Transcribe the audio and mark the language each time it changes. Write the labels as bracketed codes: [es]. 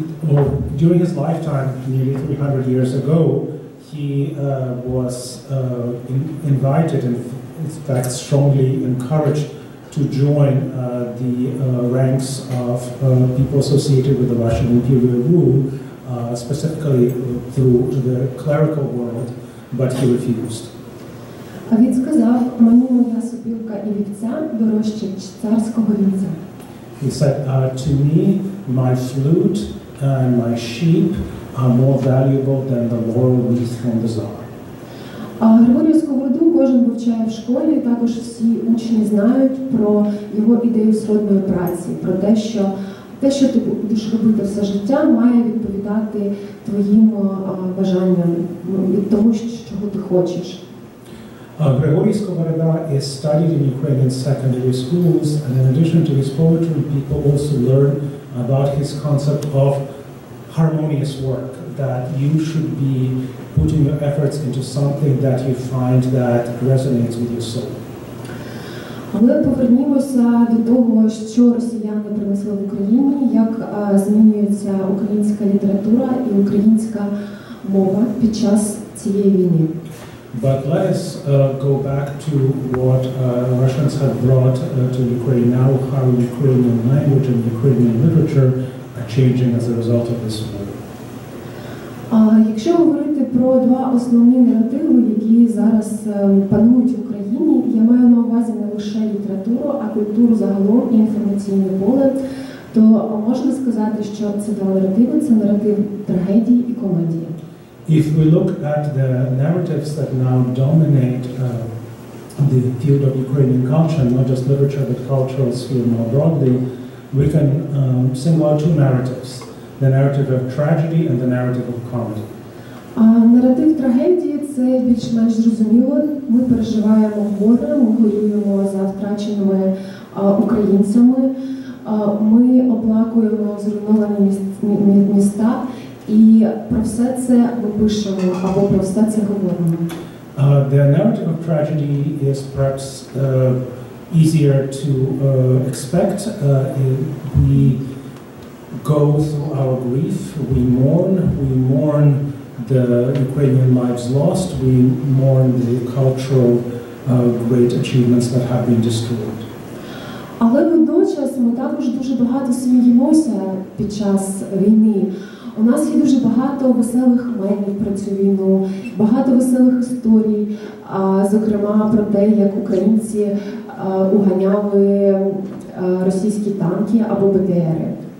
[en] Well, during his lifetime, nearly 300 years ago, he was invited and in fact strongly encouraged to join the ranks of people associated with the Russian imperial rule, specifically through the clerical world, but he refused. [uk] Він сказав, мені моя супілка і вівця дорожче царського вівця. [en] He said, to me, my flute and my sheep are more valuable than the laurel wreath from the Tsar. [uk] Григорію Сковороду кожен вивчає в школі, також всі учні знають про його ідею сродної праці, про те, що ти будеш робити все життя, має відповідати твоїм бажанням, від того, чого ти хочеш. [en] Григорій Сковорода is studied in Ukrainian secondary schools, and in addition to his poetry, people also learn about his concept of harmonious work, that you should be putting your efforts into something that you find that resonates with your soul. [uk] Але повернімося до того, що росіяни принесли в Україні, як змінюється українська література і українська мова під час цієї війни. [en] But let us go back to what Russians have brought to Ukraine now, how Ukrainian language and Ukrainian literature are changing as a result of this war. [uk] Якщо говорити про два основні наративи, які зараз панують в Україні, я маю на увазі не лише літературу, а культуру загалом і інформаційне поле, то можна сказати, що це два наративи – це наратив трагедії і комедії. [en] If we look at the narratives that now dominate the field of Ukrainian culture, not just literature, but cultural sphere more broadly, we can single out two narratives, the narrative of tragedy and the narrative of comedy. [uk] Наратив трагедії – це більш-менш зрозуміло. Ми переживаємо горе, ми горюємо за втраченими українцями. Ми оплакуємо зруйновані міста, і про все це ми пишемо, або про все це говоримо. [en] The narrative of tragedy is perhaps easier to expect. We go through our grief, we mourn the Ukrainian lives lost, we mourn the cultural great achievements that have been destroyed. [uk] Але водночас ми також дуже багато сміємося під час війни. У нас є дуже багато веселих мемів про цю війну, багато веселих історій, зокрема про те, як українці уганяли російські танки або БТРи.